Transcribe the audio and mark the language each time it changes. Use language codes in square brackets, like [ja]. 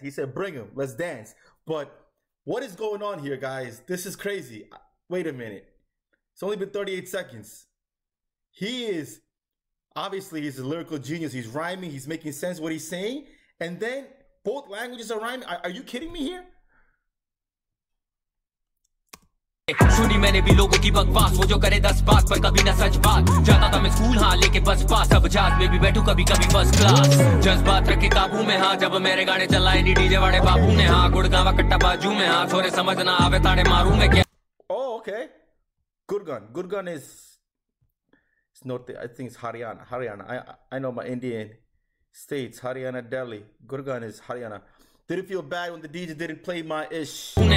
[en] He said, bring them, let's dance. But what is going on here, guys? This is crazy. Wait a minute. It's only been 38 seconds. He is, obviously, he's a lyrical genius. He's rhyming, he's making sense what he's saying. And then both languages are rhyming. Are you kidding me here? [hi] सुनी मैंने भी लोगों की बकवास वो जो करे दस बात पर कभी ना सच बात जाता था मैं स्कूल हाँ लेके बस पास अब जात में भी बैठू कभी कभी फर्स्ट क्लास जज्बात रखे काबू में हाँ जब मेरे गाने चलाए नी डीजे वाड़े बाबू ने हाँ गुड़गांव कट्टा बाजू में हाँ छोरे समझ ना आवे ताड़े मारू मैं क्या. [en] Oh, okay. Gurgaon is, it's north, I think it's Haryana. I know my Indian states, Haryana, Delhi. Gurgaon is Haryana. Did it feel bad when the DJ didn't play my ish?